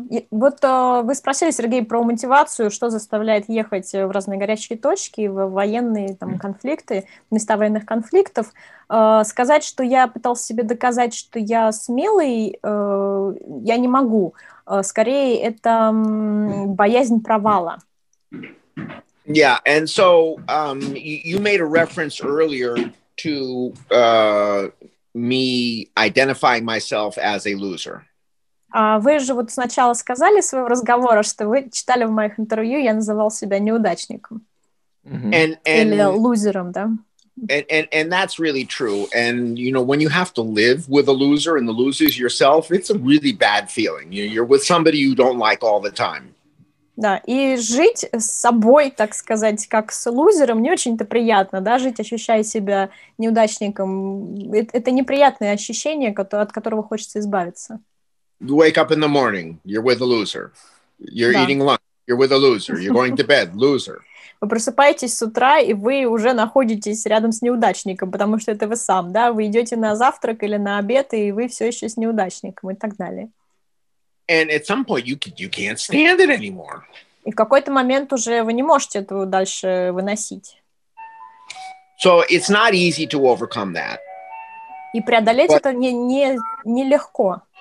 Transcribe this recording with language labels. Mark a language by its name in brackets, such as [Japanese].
[Russian] Вот вы спросили, Сергей, про мотивацию, что заставляет ехать в разные горячие точки, в военные там, конфликты, места военных конфликтов. Сказать, что я пытался себе доказать, что я смелый, я не могу. Скорее, это боязнь провала. [English] Yeah, and so you made a reference earlier to me identifying myself as a loser. [Russian] Вы же вот сначала сказали своего разговора, что вы читали в моих интервью, я называл себя неудачником. Или лузером, да? [English] And that's really true. And, you know, when you have to live with a loser and the loser is yourself, it's a really bad feeling. You're with somebody you don't like all the time. [Russian] Да, и жить с собой, так сказать, как с лузером, не очень-то приятно, да, жить, ощущая себя неудачником. Это неприятное ощущение, от которого хочется избавиться. [English] You wake up in the morning, you're with a loser. You're eating lunch, you're with a loser. You're going to bed, loser. [Russian] Вы просыпаетесь с утра, и вы уже находитесь рядом с неудачником, потому что это вы сам, да? Вы идете на завтрак или на обед, и вы все еще с неудачником, и так далее. [English] And at some point you can't stand it anymore. [Russian] И в какой-то момент уже вы не можете этого дальше выносить. [English] So it's not easy to overcome that. [Russian] И преодолеть это не легко.